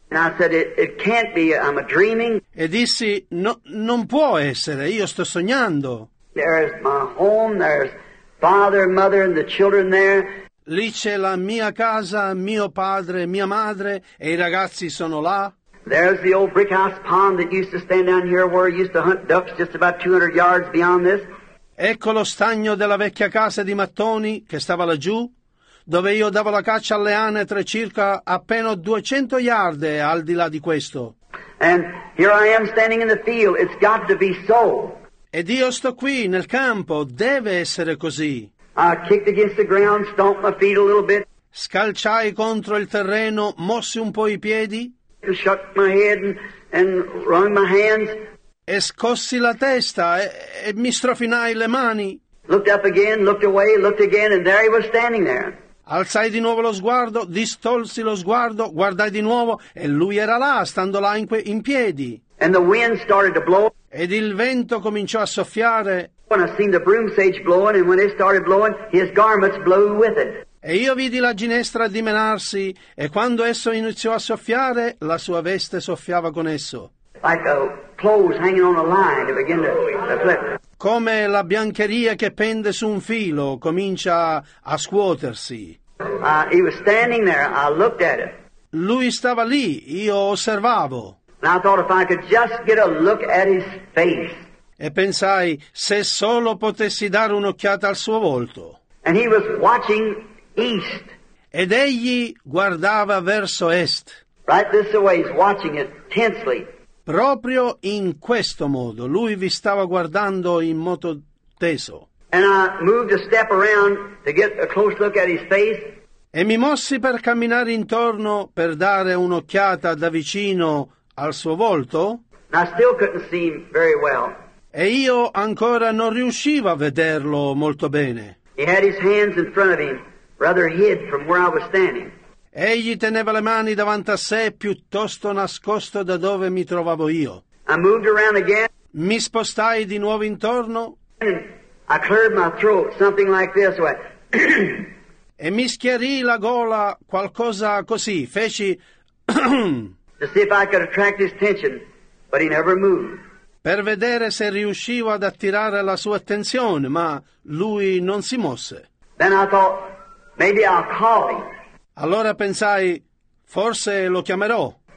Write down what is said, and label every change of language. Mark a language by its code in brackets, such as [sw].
[en] And I said, it can't be, I'm a dreaming. [it] E dissi, no, non può essere, io sto sognando. [en] There's my home, there's father, mother and the children there. [it] Lì c'è la mia casa, mio padre, mia madre e i ragazzi sono là. [en] There's the old brick house pond that used to stand down here where we used to hunt ducks just about 200 yards beyond this. [it] Ecco lo stagno della vecchia casa di mattoni che stava laggiù, dove io davo la caccia alle anatre circa appena 200 yardi al di là di questo. [en] And here I am standing in the field. It's got to be so. [it] Ed io sto qui nel campo. Deve essere così. [en] I kicked against the ground, stomped my feet a little bit. [it] Scalciai contro il terreno, mossi un po' i piedi. [en] And shook my head and wrung my hands. [it] E scossi la testa e mi strofinai le mani. [en] Looked up again, looked away, looked again, and there he was standing there. [it] Alzai di nuovo lo sguardo, distolsi lo sguardo, guardai di nuovo e lui era là, stando là in piedi. [en] And the wind started to blow. [it] Ed il vento cominciò a soffiare. [en] When I seen the broom sage blowing, and when it started blowing, his garments blew with it. [it] E io vidi la ginestra dimenarsi, e quando esso iniziò a soffiare, la sua veste soffiava con esso. [en] Like a clothes hanging on a line, it began to flip. [it] Come la biancheria che pende su un filo, comincia a scuotersi. [en] He was standing there, I looked at it. [it] Lui stava lì, io osservavo. [en] And I thought if I could just get a look at his face. [it] E pensai, se solo potessi dare un'occhiata al suo volto. [en] And he was watching east. [it] Ed egli guardava verso est. [en] Right this way, he's watching it tensely. [it] Proprio in questo modo, lui vi stava guardando in modo teso. [en] And I moved a step around to get a close look at his face. [it] E mi mossi per camminare intorno per dare un'occhiata da vicino al suo volto. [en] And I still couldn't see him very well. [it] E io ancora non riuscivo a vederlo molto bene. [en] He had his hands in front of him, rather hid from where I was standing. [it] Egli teneva le mani davanti a sé, piuttosto nascosto da dove mi trovavo io. [en] I moved around again. [it] Mi spostai di nuovo intorno. [en] I cleared my throat, something like this way. [it] E mi schiarì la gola, qualcosa così, feci... [en] to see if I could attract his attention, but he never moved. [it] Per vedere se riuscivo ad attirare la sua attenzione, ma lui non si mosse. [en] Then I thought, maybe I'll call him. [it] Allora pensai, forse lo chiamerò.